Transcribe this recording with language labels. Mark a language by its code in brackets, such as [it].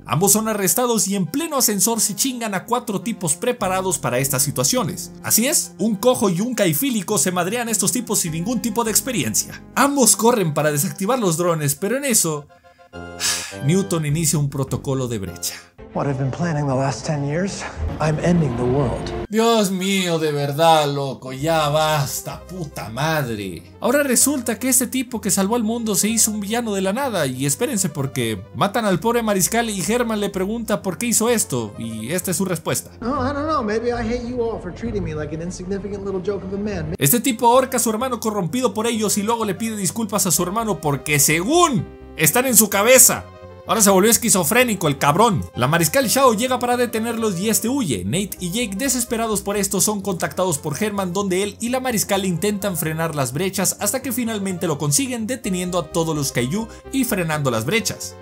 [es] Ambos son arrestados y en pleno ascensor se chingan a cuatro tipos preparados para estas situaciones. Así es, un cojo y un caifílico se madrean a estos tipos sin ningún tipo de experiencia. Ambos corren para desactivar los drones, pero en eso, Newton inicia un protocolo de brecha. [en] What I've been planning the last 10 years, I'm ending the world. [es] Dios mío, de verdad, loco, ya basta, puta madre. Ahora resulta que este tipo que salvó al mundo se hizo un villano de la nada, y espérense porque matan al pobre mariscal y Herman le pregunta por qué hizo esto, y esta es su respuesta. [en] Oh, I don't know, maybe I hate you all for treating me like an insignificant little joke of a man. [es] Este tipo ahorca a su hermano corrompido por ellos y luego le pide disculpas a su hermano porque según están en su cabeza. Ahora se volvió esquizofrénico el cabrón. La mariscal Shao llega para detenerlos y este huye. Nate y Jake, desesperados por esto, son contactados por Herman, donde él y la mariscal intentan frenar las brechas hasta que finalmente lo consiguen, deteniendo a todos los Kaiju y frenando las brechas.